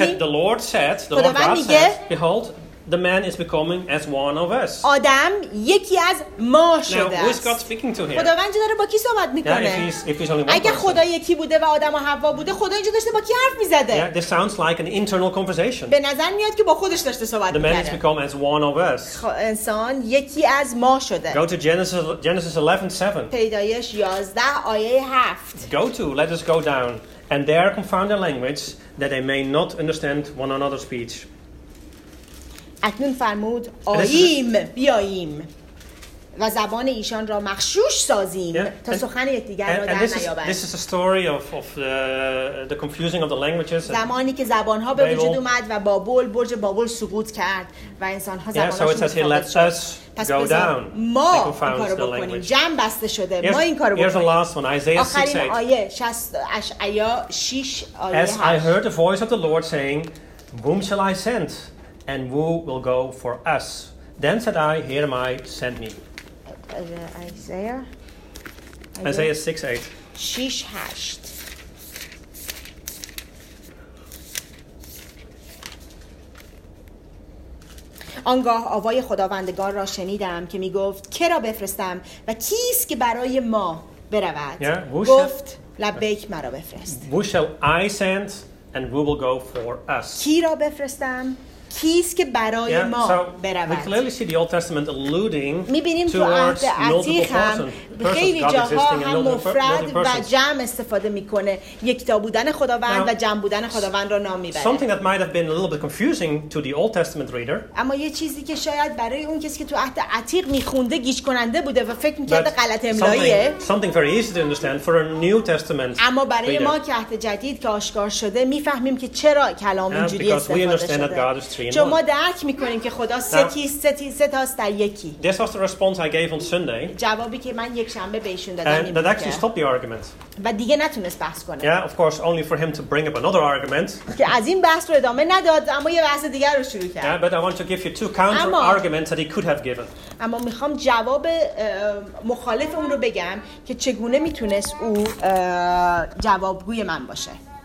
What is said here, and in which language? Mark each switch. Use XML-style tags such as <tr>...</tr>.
<en>He said, the Lord said, the Lord God said, behold, the man is becoming as one of us.</en> <fa>آدم یکی از ما شده.</fa> <en>Now, who is God speaking to here?</en> <fa>خداوند چه داره با کی صحبت میکنه؟</fa> <en>Yeah, if he's only one.</en> <fa>اگه خدا یکی بوده و آدم و حوا بوده، خدا اینجا داشته با کی حرف میزده؟</fa> <en>Yeah, this sounds like an internal conversation.</en> <fa>به نظر میاد که با خودش داشته صحبت میکنه.</fa> <en>The man has become as one of us.</en> <fa>انسان یکی از ما شده.</fa> <en>Go to Genesis 11:7.</en> <fa>پیدایش 11 آیه 7.</fa> <en>Go to, let us go down, and there confound their language, that they may not understand one another's speech.</en> <fa>اکنون فرمود آییم بیاییم و زبان ایشان را مخشوش سازیم تا سخن یکدیگر را در نیابند.</fa> <en>This is a story of the confusing of the languages.</en> <fa>زمانی که زبان‌ها به وجود اومد و بابل برج بابل سقوط کرد و انسان‌ها زبان‌هاشون را متفاوت کرد.</fa> <en>Let's go down.</en> <fa>ما این کارو بکنیم. جمع بسته شده. ما این کارو بکنیم.</fa> <en>Here's the last one. Isaiah 6:8.</en> <fa>آخرین آیه 60 6 آیه.</fa> <en>As I heard the voice of the Lord saying, whom shall I send? And who will go for us? Then said I, here am I, send me. Isaiah 6:8. 6:8.</en> <fa>آنگاه آوای خداوندگار را شنیدم که می گفت که را بفرستم و کیست که برای ما برود؟ گفت لبیک مرا بفرست.</fa> <en>Who shall I send and who will go for us?</en> <fa>کی را بفرستم؟ کیست که برای ما برود؟</fa> <en>We clearly see the Old Testament alluding</en> <fa>می‌بینیم تو عهد عتیق هم خیلی جاها هم مفرد و جمع استفاده می‌کنه، یکتا بودن خداوند و جمع بودن خداوند را نام می‌بره.</fa> <en>Something that might have been a little bit confusing to the Old Testament reader.</en> <fa>اما یه چیزی که شاید برای اون کسی که تو عهد عتیق می‌خونده گیج کننده بوده و فکر می‌کرده غلط املاییه.</fa> <en>Something very easy to understand for a New Testament.</en> <fa>اما برای ما که عهد جدید که آشکار شده می‌فهمیم که چرا کلام اینجوری استفاده شده. چون ما درک میکنیم که خدا سه تاست در یکی.</fa> <en>This was the response I gave on Sunday.</en> <fa>جوابی که من یک شنبه به ایشون دادم.</fa> <en>And that actually stopped the argument.</en> <fa>و دیگه نتونست بحث کنه.</fa> <en>Yeah, of course, only for him to bring up another argument.</en> <fa>که از این بحث رو ادامه نداد، اما یه بحث دیگر رو شروع کرد.</fa> <en>Yeah, but I want to give you two counter arguments that he could have given.</en> <fa>اما میخوام جواب مخالف اون رو بگم که چگونه میتونست او جوابگوی من باشه.</fa>